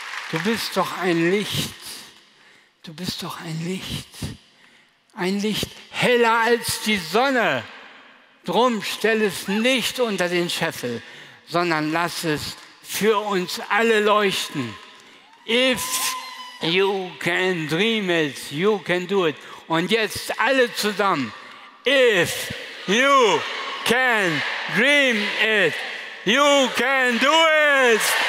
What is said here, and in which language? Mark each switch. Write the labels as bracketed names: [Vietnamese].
[German] Du bist doch ein Licht. Du bist doch ein Licht. Ein Licht heller als die Sonne. Drum stell es nicht unter den Scheffel, sondern lass es für uns alle leuchten. [English] If you can dream it, you can do it. [German] Und jetzt alle zusammen. [English] If you can dream it, you can do it.